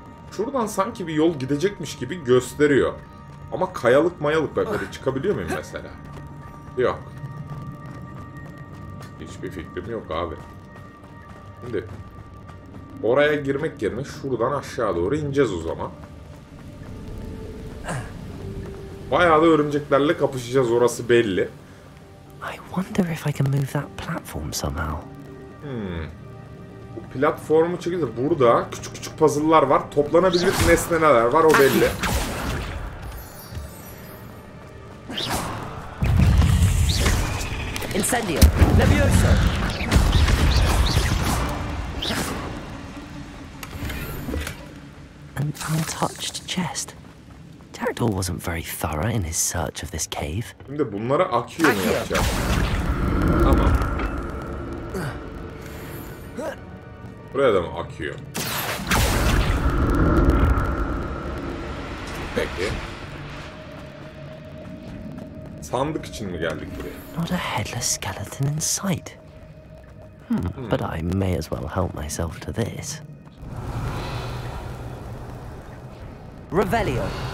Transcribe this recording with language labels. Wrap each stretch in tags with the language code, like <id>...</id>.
<tr>Şuradan sanki bir yol gidecekmiş gibi gösteriyor. Ama kayalık mayalık böyle ah. Çıkabiliyor muyum mesela? Yok. Hiçbir fikrim yok abi. Şimdi oraya girmek yerine şuradan aşağı doğru ineceğiz o zaman. Bayağı da örümceklerle kapışacağız, orası belli.</tr> <en>I wonder if I can move that platform somehow.</en> <tr>Bu platformu çekiyor. Burada küçük küçük puzzle'lar var. Toplanabilir nesneler var, o belli. Incendio. Nebulosa.</tr> <en>An untouched chest. Tactile wasn't very thorough in his search of this cave.</en> <tr>Şimdi bunlara akıyor mu yapacağız? Tamam. Buraya da mı akıyor? Peki. Sandık için mi geldik buraya?</tr> <en>Not a headless skeleton in sight. But I may as well help myself to this. Revelio.</en>